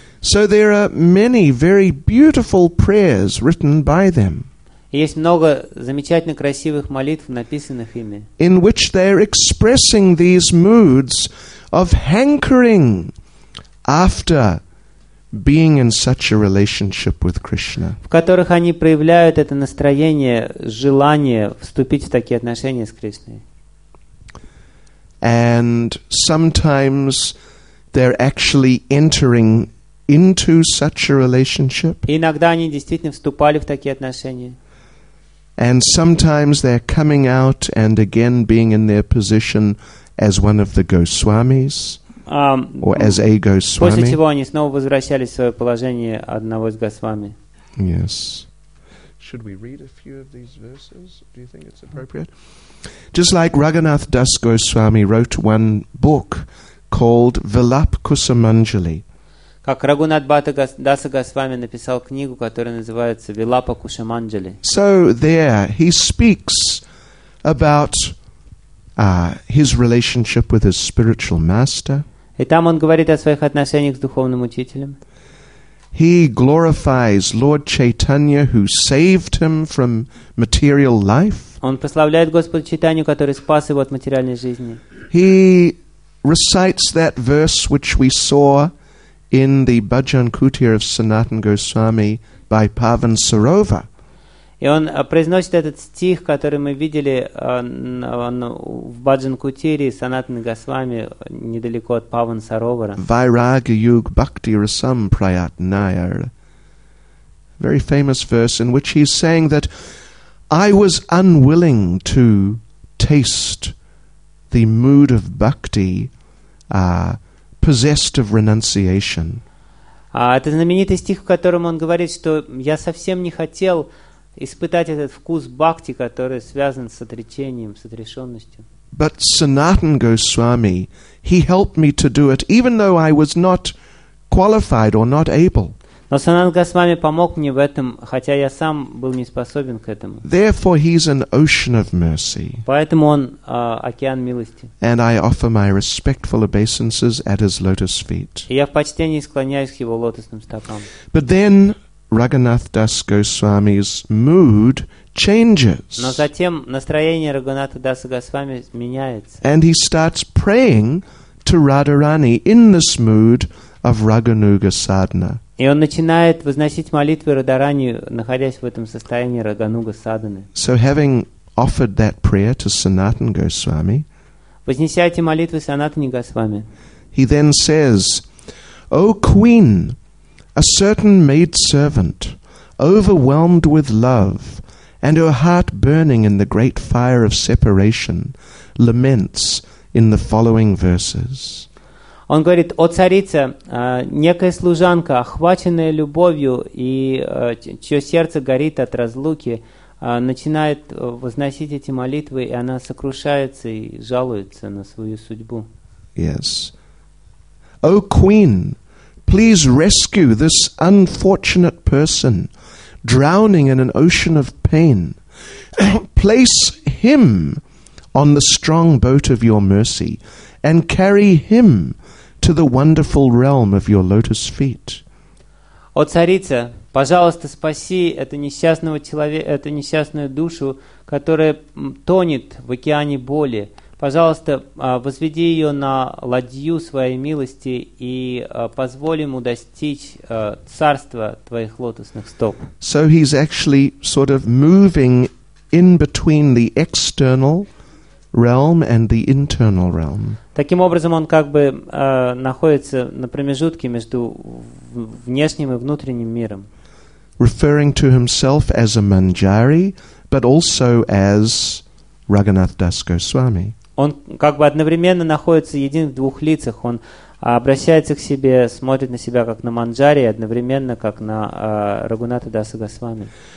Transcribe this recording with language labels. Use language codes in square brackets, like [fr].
[en] So there are many very beautiful prayers written by them. [ru] Есть много замечательно красивых молитв, написанных ими. [en] In which they're expressing these moods of hankering after being in such a relationship with Krishna. [ru] В которых они проявляют это настроение, желание вступить в такие отношения с Кришной. [en] And sometimes they're actually entering into such a relationship. [ru] Иногда они действительно вступали в такие отношения. [en] And sometimes they're coming out and again being in their position as one of the Goswamis, or as a Goswami. [ru] После чего они снова возвращались в свое положение одного из Госвами. [en] Yes. Should we read a few of these verses? Do you think it's appropriate? Just like Raghunath Das Goswami wrote one book called Vilap Kusumanjali. [ru] Как Рагунат Бхата Даса Госвами написал книгу, которая называется «Вилапа Кушаманджали». [en] So there he speaks about his relationship with his spiritual master. [ru] И там он говорит о своих отношениях с духовным учителем. [en] He glorifies Lord Chaitanya, who saved him from material life. [ru] Он прославляет Господа Чайтанью, который спас его от материальной жизни. [en] He recites that verse which we saw in the Bhajan Kutir of Sanatana Goswami by Pavan Sarova. [ru] И он произносит этот стих, который мы видели в Bhajan Kutir Sanatana Goswami недалеко от Pavan Sarovara. [sa] Vairagya Yug Bhakti Rasam Prayat Nayar. [en] Very famous verse in which he's saying that I was unwilling to taste the mood of bhakti possessed of renunciation. [ru] Это знаменитый стих, в котором он говорит, что я совсем не хотел испытать этот вкус бхакти, который связан с отречением, с отрешенностью. [en] But Sanatan Goswami, he helped me to do it, even though I was not qualified or not able. [ru] Но Санат Госвами помог мне в этом, хотя я сам был не способен к этому. [en] Therefore he's an ocean of mercy. [ru] Поэтому он океан милости. [en] And I offer my respectful obeisances at his lotus feet. [ru] И я в почтении склоняюсь к его лотосным стопам. [en] But then Raghunath Das Goswami's mood changes. [ru] Но затем настроение Рагунатха Даса Госвами меняется. [en] And he starts praying to Radharani in this mood of Raganuga Sadhana. [ru] И он начинает возносить молитвы Радхарани, находясь в этом состоянии Рагануга Садханы. [en] So having offered that prayer to Sanatana Goswami, [ru] вознеся эти молитвы Санатане Госвами, [en] he then says, O queen, a certain maidservant, overwhelmed with love, and her heart burning in the great fire of separation, laments in the following verses. [ru] Он говорит, о царице, некая служанка, охваченная любовью, и чье сердце горит от разлуки, начинает возносить эти молитвы, и она сокрушается и жалуется на свою судьбу. [en] Yes. O queen, please rescue this unfortunate person, drowning in an ocean of pain. Place him on the strong boat of your mercy, and carry him to the wonderful realm of your lotus feet. [ru] О царица, пожалуйста, спаси эту несчастного человека, эту несчастную душу, которая тонет в океане боли. Пожалуйста, возведи ее на ладью своей милости и позволь ему достичь царства твоих лотосных стоп. [en] So he's actually sort of moving in between the external realm and the internal realm. [ru] Таким образом, он как бы находится на промежутке между внешним и внутренним миром. [en] Referring to himself as a Manjari, but also as Raghunath Das Goswami. [ru] Он как бы одновременно находится един в двух лицах. Он обращается к себе, смотрит на себя как на Манджари, одновременно как на Рагунатха Даса Госвами.